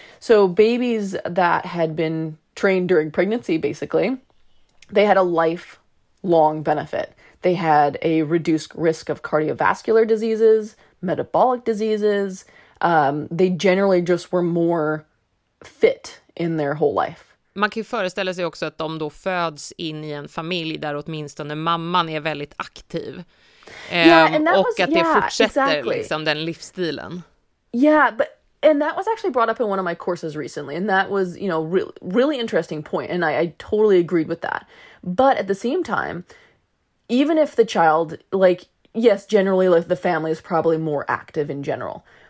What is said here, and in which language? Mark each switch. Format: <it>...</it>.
<en>So babies that had been trained during pregnancy, basically, they had a lifelong benefit. They had a reduced risk of cardiovascular diseases, metabolic diseases. They generally just were more fit in their whole life.</en> <sv>Man kan ju föreställa sig också att de då föds in i en familj där åtminstone mamman är väldigt aktiv. Och att det fortsätter, liksom, den livsstilen.</sv> <en>Yeah, but and that was actually brought up in one of my courses recently. And that was, you know, really, really interesting point. And I totally agreed with that. But at the same time, even if the child, like, yes, generally, like, the family is probably more active in general.</en>